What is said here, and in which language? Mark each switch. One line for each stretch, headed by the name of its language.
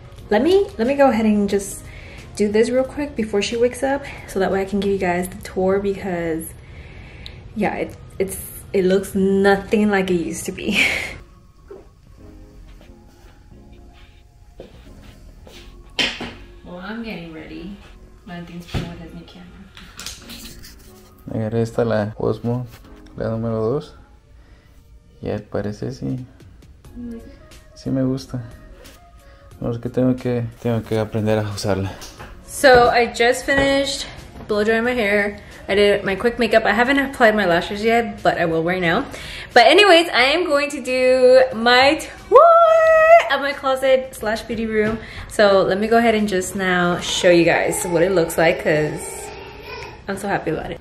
English: Let me go ahead and just do this real quick before she wakes up so that way I can give you guys the tour because yeah, it looks nothing like it used to be. Well, I'm getting ready. Valentín's playing with his new camera.
Spanish: Agarré esta la Osmo, la número 2. Y al parecer sí. Sí me gusta. No sé qué tengo que aprender a usarla.
English: So I just finished blow drying my hair. I did my quick makeup. I haven't applied my lashes yet, but I will right now. But anyways, I am going to do my tour of my closet slash beauty room. So let me go ahead and just now show you guys what it looks like because I'm so happy about it.